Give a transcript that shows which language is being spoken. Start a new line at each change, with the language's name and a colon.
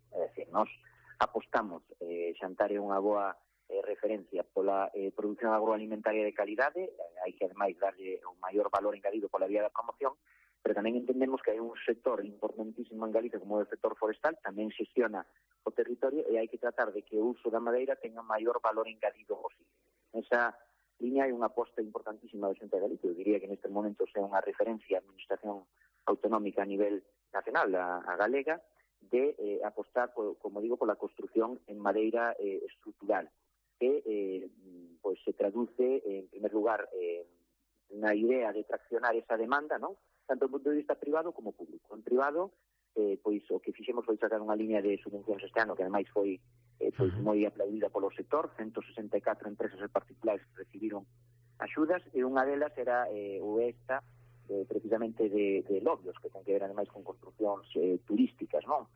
Galician: É dicir, nos apostamos, Xantar é unha boa referencia pola producción agroalimentaria de calidade, hai que ademais darlle o maior valor engadido pola vía da promoción, pero tamén entendemos que hai un sector importantísimo en Galicia como o sector forestal, tamén xestiona o territorio e hai que tratar de que o uso da madeira teña o maior valor engadido posible. Nesa línea hai unha aposta importantísima da Xunta de Galicia. Eu diría que neste momento sea unha referencia a administración autonómica a nivel
Spanish: nacional,
Galician: a galega,
Spanish: de apostar, como digo, por la construcción en madeira estructural, que pues se traduce, en primer lugar, una idea de traccionar esa demanda, ¿no?, tanto desde el punto de vista privado como público.
Galician: En privado, pues o que fixemos foi sacar unha línea de subvencións este ano, que ademais foi pues, moi aplaudida polo sector. 164 empresas e particulares recibiron axudas, e unha delas era o esta, precisamente de Lobios, que ten que ver ademais con construccións turísticas, ¿no?